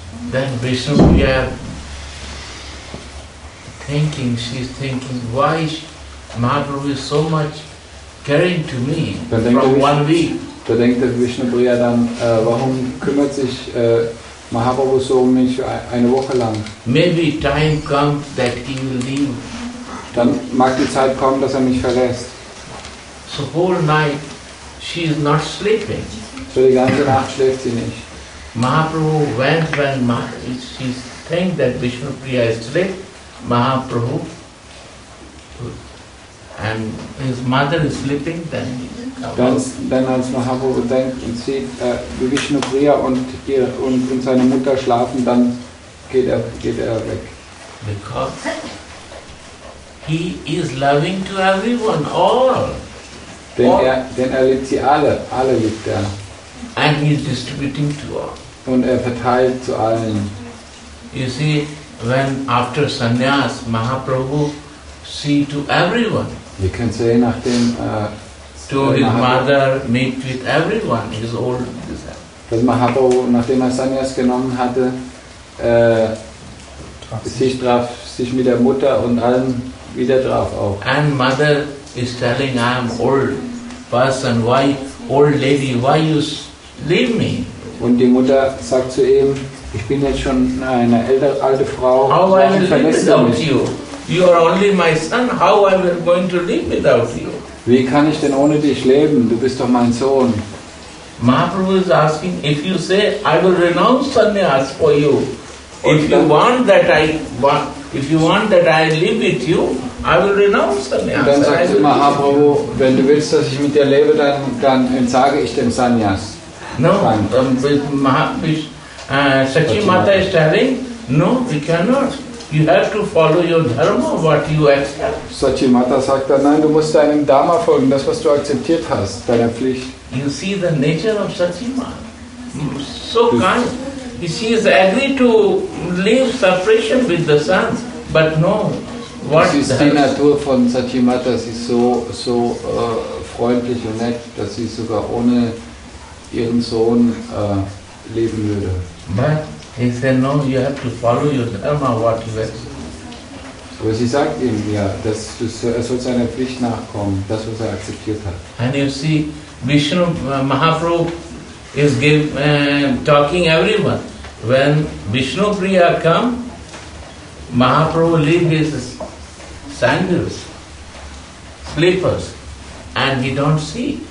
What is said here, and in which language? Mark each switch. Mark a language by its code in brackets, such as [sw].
[en] Then Vishnu Priya she's thinking, why Mahaprabhu is so much caring to me one week. [de] Da denkt Vishnu Priya dann, warum kümmert sich Mahaprabhu so um mich eine Woche lang? [en] Maybe time comes that he will leave. [de] Dann mag die Zeit kommen, dass er mich verlässt. [en] So whole night she is not sleeping. [de] So die ganze Nacht schläft sie nicht. [en] Mahaprabhu went when she think that Vishnu Priya is asleep. Mahaprabhu and his mother is sleeping. Then [de] dann als Mahaprabhu denkt und sieht wie Vishnu Priya und seine Mutter schlafen, dann geht er weg. [en] Because he is loving to everyone, all. [de] Denn er liebt sie alle liebt er. [en] And he is distributing to all. [de] Und er verteilt zu allen. [en] You see, when after sannyas, Mahaprabhu see to everyone. [de] Wir können sehen, nachdem [en] to his mother meet with everyone, his old self. [de] Dass Mahaprabhu, nachdem er sannyas genommen hatte, sich mit der Mutter und allen wieder traf auch. [en] And mother is telling, I am old person, why old lady, why you leave me? [de] Und die Mutter sagt zu ihm, ich bin jetzt schon eine alte Frau. [en] How I will live without you? You are only my son. How I will going to live without you? [de] Wie kann ich denn ohne dich leben? Du bist doch mein Sohn. [en] Mahaprabhu is asking, if you say I will renounce sannyas for you, if you want that I live with you, I will renounce sannyas. [de] Dann sagt Mahaprabhu, wenn du willst, dass ich mit dir lebe, dann entsage ich dem sannyas. [en] No, Sakshi Mata is telling, no, we cannot. You have to follow your dharma, what you accept. [de] Sakshi Mata sagt dann, nein, du musst deinem Dharma folgen, das, was du akzeptiert hast, deiner Pflicht. [en] You see the nature of Sakshi Mata. So kind. She is agreed to leave separation with the sons, but no. [de] Das ist die Natur von Sakshi Mata. Sie ist so freundlich und nett, dass sie sogar ohne ihren Sohn leben würde. [en] But he said, no, you have to follow your dharma, what you have. [de] Aber sie sagt ihm, ja, dass er soll seiner Pflicht nachkommen, das, was er akzeptiert hat. [en] And you see, Vishnu Mahaprabhu is talking everyone. When Vishnu Priya come, Mahaprabhu leave his sandals, slippers, and he don't see.